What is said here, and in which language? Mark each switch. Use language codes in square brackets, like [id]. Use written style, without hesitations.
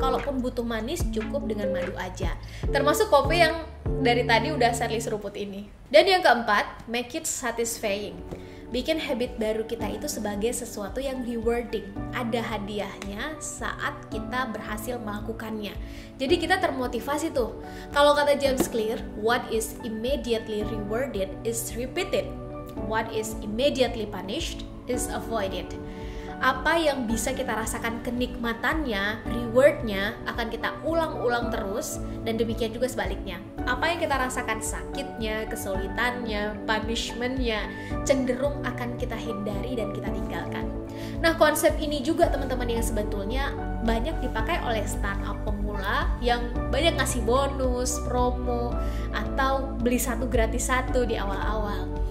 [id] Kalaupun butuh manis, cukup dengan madu aja. Termasuk kopi yang dari tadi udah Sherly seruput ini. Dan yang keempat, [en] make it satisfying. [id] Bikin habit baru kita itu sebagai sesuatu yang rewarding. Ada hadiahnya saat kita berhasil melakukannya. Jadi kita termotivasi tuh. Kalau kata [en] James Clear, what is immediately rewarded is repeated. What is immediately punished is avoided. [id] Apa yang bisa kita rasakan kenikmatannya, rewardnya, akan kita ulang-ulang terus, dan demikian juga sebaliknya. Apa yang kita rasakan sakitnya, kesulitannya, punishmentnya, cenderung akan kita hindari dan kita tinggalkan. Nah, konsep ini juga teman-teman yang sebetulnya banyak dipakai oleh startup pemula yang banyak ngasih bonus, promo, atau beli satu gratis satu di awal-awal.